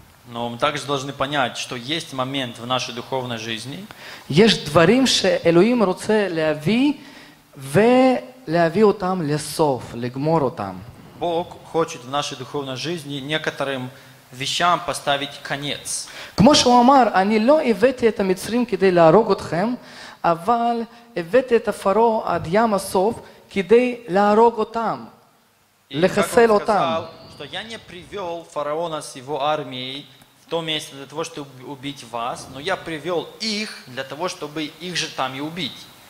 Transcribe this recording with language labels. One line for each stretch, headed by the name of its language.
Russian: Но мы также должны понять, что есть момент в нашей духовной жизни, Бог хочет в нашей духовной жизни некоторым вещам поставить конец.
Hebrew: כמו שהוא אמר, אני לא הבאתי את המצרים כדי להרוג אתכם, אבל הבאתי את הפרו עד ים הסוף כדי להרוג אותם, לחסל אותם.
Russian: Что я не привел фараона с его армией в то место для того, чтобы убить вас, но я привел их для того, чтобы их же там и убить.